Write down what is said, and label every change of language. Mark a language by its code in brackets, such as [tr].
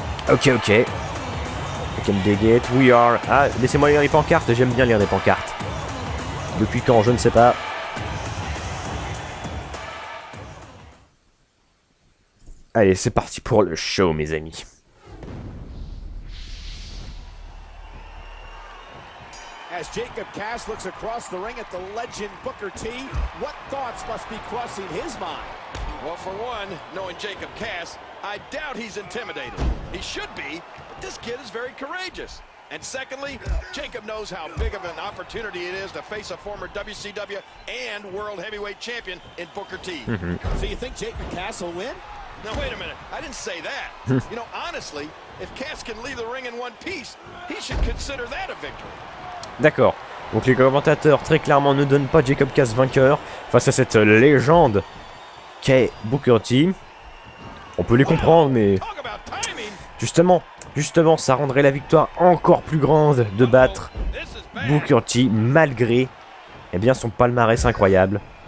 [en] Ok, ok. I can dig it, we are... [fr] Ah, laissez-moi lire les pancartes, j'aime bien lire des pancartes. Depuis quand, je ne sais pas. Allez, c'est parti pour le show, mes amis. [en] As Jacob Cass looks across the ring at the legend Booker T, what thoughts must be crossing his mind? Well, for one, knowing Jacob Cass, I doubt he's intimidated. He should be, but this kid is very courageous. And secondly, Jacob knows how big of an opportunity it is to face a former WCW and World Heavyweight Champion in Booker T. Mm-hmm. So you think Jacob Cass will win? Now, wait a minute. I didn't say that. You know, honestly, if Cass can leave the ring in one piece, he should consider that a victory. [fr] D'accord. Donc les commentateurs, très clairement, ne donnent pas Jacob Cass vainqueur face à cette légende qu'est Booker T. On peut les comprendre, mais... Justement, ça rendrait la victoire encore plus grande de battre Booker T, malgré, eh bien, son palmarès incroyable.